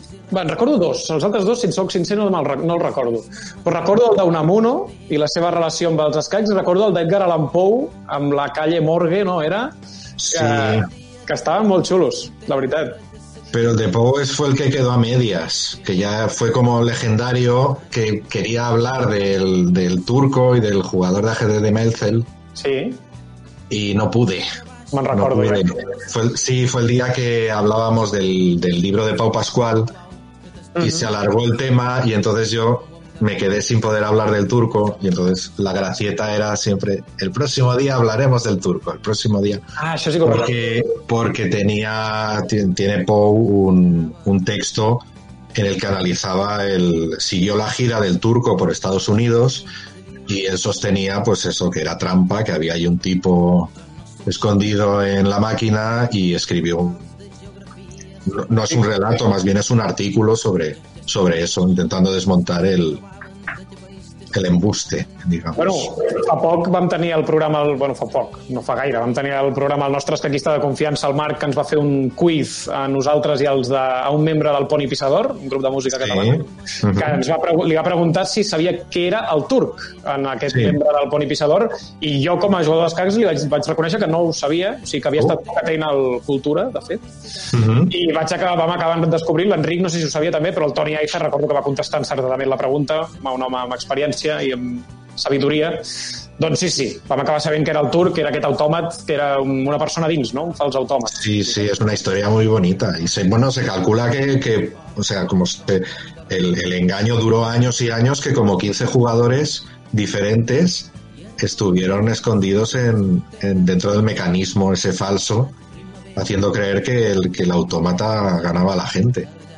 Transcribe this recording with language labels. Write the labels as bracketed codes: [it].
[ca] recordo dos, els altres dos, si en soc sincer, no el recordo, però recordo el d'Unamuno i la seva relació amb els escacs. Recordo el d'Edgar Allan Poe amb la Calle Morgue, no era? Sí, que estaven molt xulos, la veritat. [es] Pero el de Poe fue el que quedó a medias, que ya fue como legendario, que quería hablar del turco y del jugador de ajedrez de Meltzel. Sí. Y no pude. Me recuerdo. Fue el día que hablábamos del libro de Pau Pascual, uh-huh, y se alargó el tema y entonces yo me quedé sin poder hablar del turco, y entonces la gracieta era siempre: el próximo día hablaremos del turco, el próximo día. Ah, eso sí, porque tiene Poe un texto en el que analizaba siguió la gira del turco por Estados Unidos, y él sostenía pues eso, que era trampa, que había ahí un tipo escondido en la máquina, y escribió, no es un relato, más bien es un artículo sobre eso, intentando desmontar el embuste, digamos. [ca] Bueno, fa poc vam tenir el programa, vam tenir el programa el nostre escaquista de confiança, el Marc, que ens va fer un quiz a nosaltres i a un membre del Pony Pissador, un grup de música català, que li va preguntar si sabia què era el turc en aquest membre del Pony Pissador, i jo com a jugador d'escacs li vaig reconèixer que no ho sabia, o sigui que havia estat poca feina al Cultura, de fet, i vam acabar descobrint, l'Enric no sé si ho sabia també, però el Toni Aiza, recordo que va contestar encertadament la pregunta, un home amb experiència i amb sabidoria, doncs sí, vam acabar sabent que era el turc, que era aquest autòmat, que era una persona dins, no?, un fals autòmat. Sí, sí, és una història [es] muy bonita. Y se calcula que o sea, como el engaño duró años y años, que como 15 jugadores diferentes estuvieron escondidos en dentro del mecanismo ese falso, haciendo creer que el autómata ganaba a la gente.